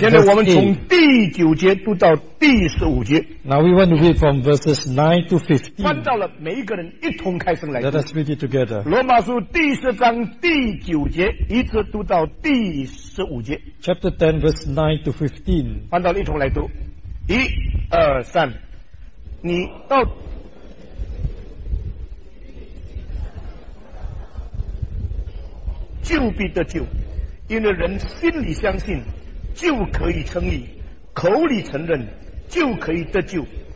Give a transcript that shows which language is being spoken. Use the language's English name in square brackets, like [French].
[Chinese] 现在我们从第九节读到第十五节。 [English] Now we want to read from verses 9 to 15. [Chinese] 翻到了每一个人一同开声来读。 [English] Let us read it together. [Chinese] 罗马书第十章第九节，一直读到第十五节。 [English] Chapter 10, verse 9 to 15. [Chinese] 翻到了一同来读。一、二、三。你到就必得救，因为人心里相信就可以称义，口里承认就可以得救。